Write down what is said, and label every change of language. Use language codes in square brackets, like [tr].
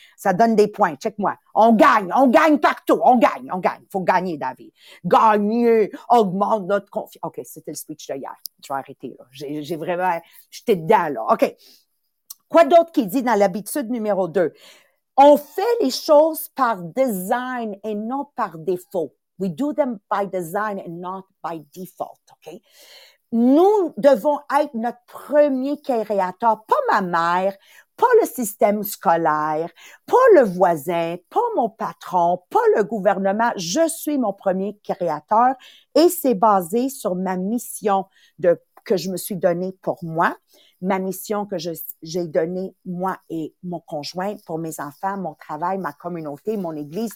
[fr] Ça donne des points. Check-moi. On gagne partout. On gagne. Il faut gagner, David. Gagner augmente notre confiance. OK, c'était le speech de hier. Je vais arrêter, là. J'ai vraiment... J'étais dedans, là. OK. Quoi d'autre qu'il dit dans l'habitude numéro 2? On fait les choses par design et non par défaut. [en] We do them by design and not by default, OK? [fr] Nous devons être notre premier créateur, pas ma mère, pas le système scolaire, pas le voisin, pas mon patron, pas le gouvernement. Je suis mon premier créateur et c'est basé sur ma mission de que je me suis donnée pour moi, ma mission que j'ai donnée moi et mon conjoint pour mes enfants, mon travail, ma communauté, mon église.